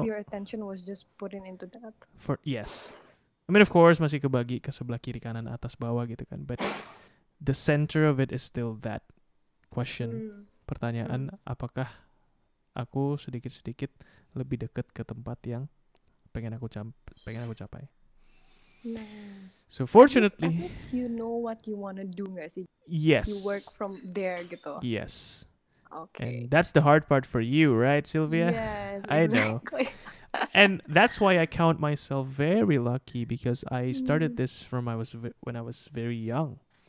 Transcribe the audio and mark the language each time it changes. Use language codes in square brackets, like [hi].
[en] of your attention was just put into that? For yes. I mean, of course, [id] masih kebagi ke sebelah kiri, kanan, atas, bawah gitu kan. [en] But the center of it is still that question. [id] Pertanyaan, apakah aku sedikit-sedikit lebih dekat ke tempat yang pengen aku capai? [en] Nice. So fortunately, at least you know what you want to do, guys. Yes. You work from there, gitu. Yes. Okay. And that's the hard part for you, right, Sylvia? Yes. Exactly. I know. And that's why I count myself very lucky, because I started this from when I was very young.